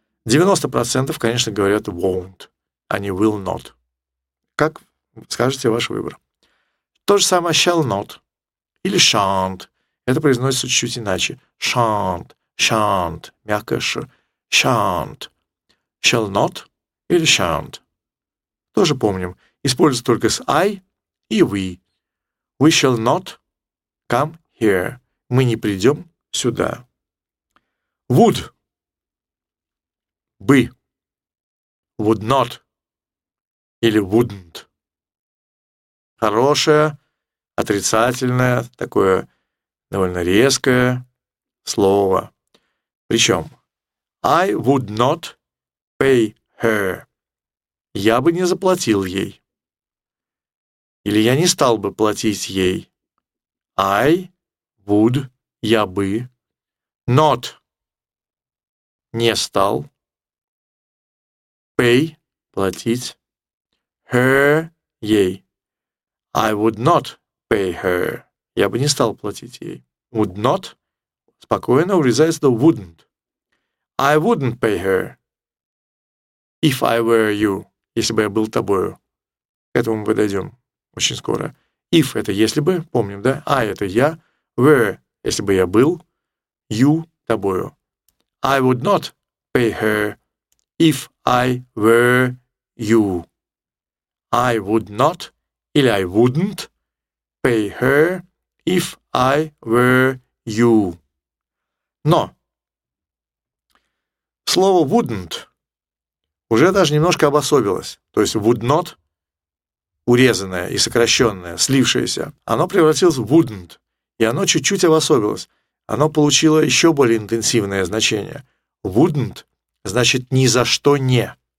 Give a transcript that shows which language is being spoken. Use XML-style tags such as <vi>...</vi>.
<ru>90%, конечно, говорят won't, а не will not. Как скажете, ваш выбор. То же самое shall not или shan't. Это произносится чуть-чуть иначе.</ru> <en>Shan't, shan't,</en> <ru>мягкое ш.</ru> <en>Shan't, shall not или shan't.</en> <ru>Тоже помним. Используется только с I и we.</ru> <en>We shall not come here.</en> <ru>Мы не придем сюда. Would — бы.</ru> <en>Would not или wouldn't.</en> <ru>Хорошее, отрицательное, такое довольно резкое слово. Причем</ru> <en>I would not pay her.</en> <ru>Я бы не заплатил ей. Или я не стал бы платить ей.</ru> <en>I would</en> <ru>— я бы. Not — не стал. Pay — платить.</ru> <en>Her —</en> <ru>ей.</ru> <en>I would not pay her.</en> <ru>Я бы не стал платить ей. Would not — спокойно урезается до wouldn't.</ru> <en>I wouldn't pay her if I were you.</en> <ru>Если бы я был тобою. К этому мы подойдем очень скоро. If — это если бы, помним, да? I — это я. Were — если бы я был. You — тобою.</ru> <en>I would not pay her if I were you. I would not или I wouldn't pay her if I were you.</en> <ru>Но слово wouldn't уже даже немножко обособилось. То есть would not, урезанное и сокращенное, слившееся, оно превратилось в wouldn't, и оно чуть-чуть обособилось. Оно получило еще более интенсивное значение. Wouldn't значит ни за что не.</ru>